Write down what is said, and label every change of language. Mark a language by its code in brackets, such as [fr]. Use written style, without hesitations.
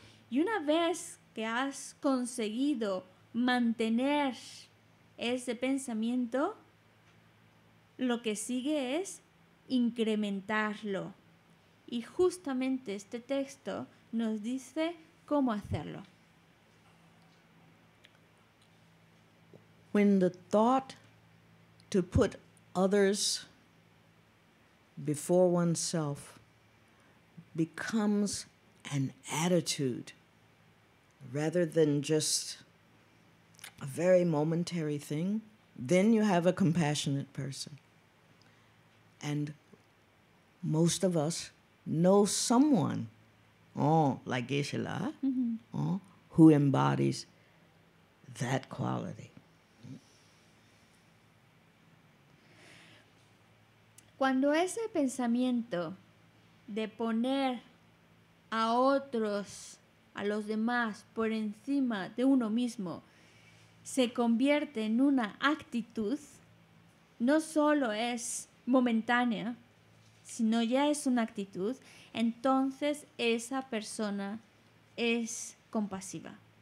[es] Y una vez que has conseguido mantener ese pensamiento, lo que sigue es incrementarlo. Y justamente este texto nos dice cómo hacerlo. [en] When the thought to put others before oneself becomes an attitude rather than just a very momentary thing, then you have a compassionate person. And most of us know someone, like Geshe-la, who embodies that quality. [es] Cuando ese pensamiento de poner a otros, a los demás, por encima de uno mismo, se convierte en una actitud, no solo es momentánea, sino ya es una actitud, entonces esa persona es compasiva.